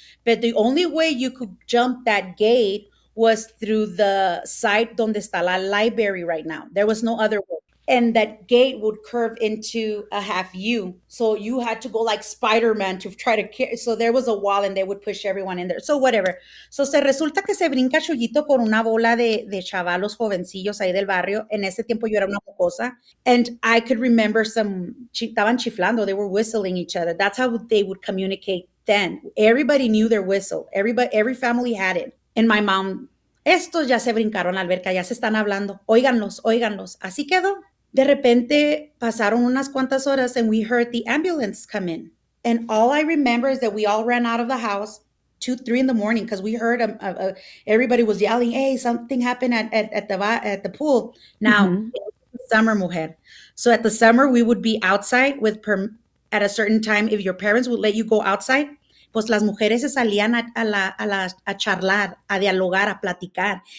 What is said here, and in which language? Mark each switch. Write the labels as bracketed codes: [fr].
[en] But the only way you could jump that gate was through the site [es] donde está la [en] library right now. There was no other way. And that gate would curve into a half U. So you had to go like Spider-Man to try to carry. So there was a wall and they would push everyone in there. So whatever. [es] So se resulta que se brinca Chuyito con una bola de chavalos jovencillos ahí del barrio. En ese tiempo yo era una mocosa. [en] And I could remember some, [es] estaban chiflando. [en] They were whistling each other. That's how they would communicate then. Everybody knew their whistle. Every family had it. And my mom, [es] estos ya se brincaron la alberca, ya se están hablando. Óiganlos, óiganlos. Así quedó. De repente pasaron unas cuantas horas [en] and we heard the ambulance come in. And all I remember is that we all ran out of the house 2-3 in the morning because we heard everybody was yelling, hey, something happened at the pool. Now, mm-hmm. summer, mujer. So at the summer, we would be outside at a certain time if your parents would let you go outside. [es] Pues las mujeres se salían a charlar, a dialogar, a platicar.